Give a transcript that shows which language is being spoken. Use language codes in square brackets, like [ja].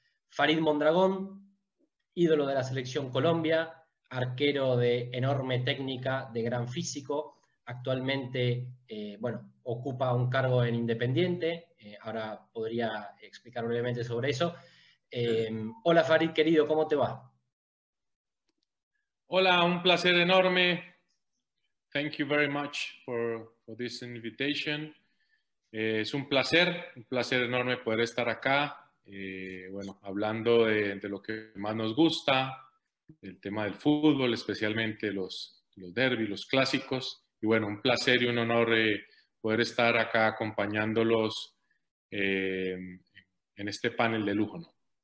[es] Farid Mondragón, ídolo de la selección Colombia, arquero de enorme técnica, de gran físico, actualmente ocupa un cargo en Independiente, ahora podría explicar brevemente sobre eso. Hola Farid, querido, ¿cómo te va? Hola, un placer enorme. [en] Thank you very much for this invitation. [es] Es un placer enorme poder estar acá, hablando de lo que más nos gusta, el tema del fútbol, especialmente los derbis, los clásicos. Y bueno, un placer y un honor poder estar acá acompañándolos en este panel de lujo, ¿no?